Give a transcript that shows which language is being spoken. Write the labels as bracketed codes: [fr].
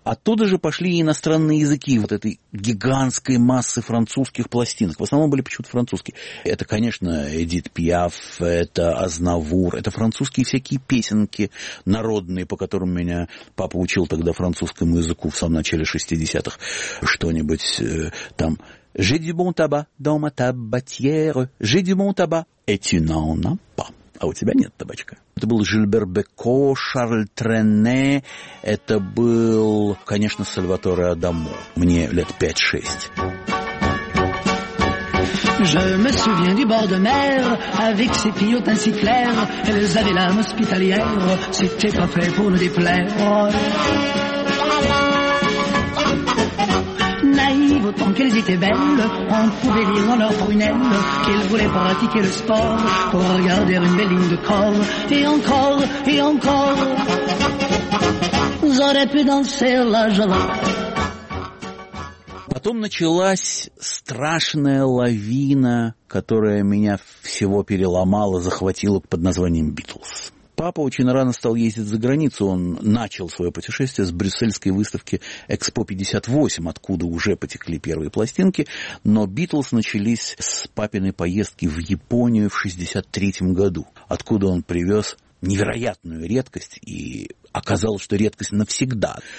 [ru] Оттуда же пошли и иностранные языки вот этой гигантской массы французских пластинок. В основном были почему-то французские. Это, конечно, Эдит Пиаф, это Азнавур, это французские всякие песенки народные, по которым меня папа учил тогда французскому языку в самом начале 60-х. Что-нибудь там. [fr] «J'ai du bon tabac dans ma tabatière, j'ai du bon tabac, et tu n'en as pas». [ru] А у тебя нет табачка. Это был Жильбер Беко, Шарль Трене, это был, конечно, Сальваторе Адамо. Мне лет 5-6. [fr] Je me souviens du bord de mer, avec ses pillotes ainsi claires, elles avaient l'âme hospitalière, c'était pas fait pour nous déplaire. Naïve autant qu'elles étaient belles, on pouvait lire dans leurs prunelles qu'elles voulaient pratiquer le sport pour regarder une belle ligne de corps. Et encore, et encore, j'aurais pu danser la java. [ru] Потом началась страшная лавина, которая меня всего переломала, захватила под названием «Битлз». Папа очень рано стал ездить за границу, он начал свое путешествие с брюссельской выставки «Экспо 58», откуда уже потекли первые пластинки, но «Битлз» начались с папиной поездки в Японию в 63-м году, откуда он привез невероятную редкость, и оказалось, что редкость навсегда.